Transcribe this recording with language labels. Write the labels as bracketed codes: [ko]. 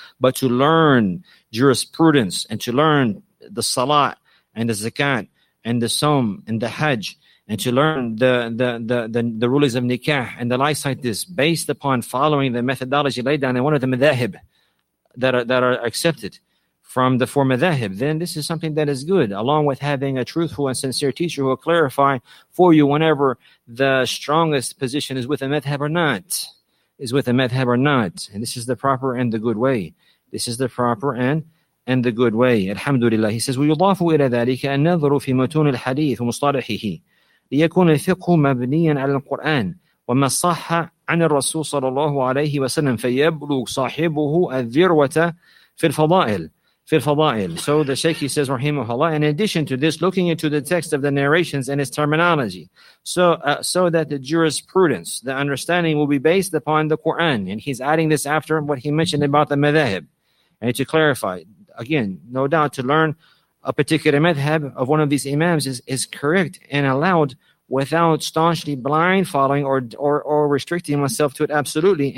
[en] But to learn jurisprudence and to learn the salat and the zakat and the sawm and the hajj, and to learn the rulings of nikah and the likes like this, based upon following the methodology laid down in one of the madhahib that are accepted from the four madhahib, then this is something that is good, along with having a truthful and sincere teacher who will clarify for you whenever the strongest position is with a madhahib or not, is with a madhahib or not. And this is the proper and the good way. This is the proper and the good way. Alhamdulillah. He says, [ar] وَيُضَافُ إِلَى ذَلِكَ النَّظْرُ فِي مَتُونِ الْحَدِيثِ وَمُصْطَلَحِهِ ليكون الفقه مبنيا على القرآن وما صح عن الرسول صلى الله عليه وسلم فيبلغ صاحبه الذروة في الفضائل في الفضائل. [en] So the Shaykh, he says, rahimahullah, in addition to this, looking into the text of the narrations and its terminology, so that the jurisprudence, the understanding, will be based upon the Quran. And he's adding this after what he mentioned about the madhahib, and to clarify again, no doubt, to learn a particular madhab of one of these imams is correct and allowed without staunchly blind following or restricting oneself to it absolutely.